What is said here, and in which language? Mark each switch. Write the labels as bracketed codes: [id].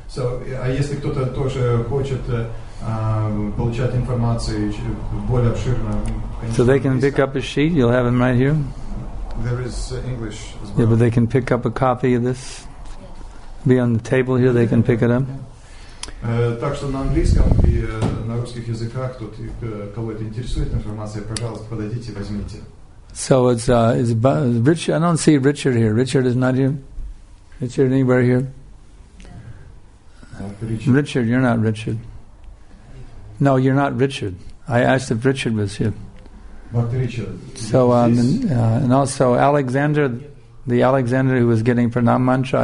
[ru] So, а если кто-то тоже хочет получать информацию более обширно... [en] So they can pick up a sheet, you'll have them right here? There is English as well. Yeah, but they can pick up a copy of this? Be on the table here, they can pick it up? [ru] Так что на английском и на русских языках, тот, кого это интересует информация, пожалуйста, подойдите, возьмите. [en] So it's Richard. I don't see Richard here. Richard is not here. Richard anywhere here? Richard, you're not Richard. No, you're not Richard. I asked if Richard was here. But Richard. So and also Alexander, the Alexander who was getting pranam mantra.